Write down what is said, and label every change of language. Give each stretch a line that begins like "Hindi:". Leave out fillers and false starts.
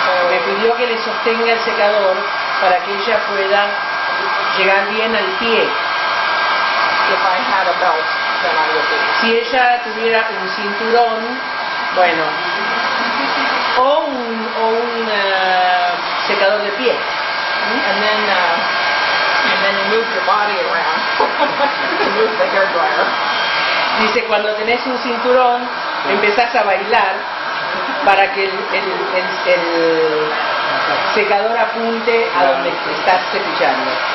Spanish: Me pidió que le sostenga el secador para que ella pueda llegar bien al pie.
English: If I had a belt, then I would be.
Spanish: Si ella tuviera un cinturón, bueno, o un secador de pie.
English: And then you move your body around. You move the hair dryer.
Spanish: Dice, cuando tenés un cinturón, empezás a bailar para que el secador apunte a donde estás cepillando.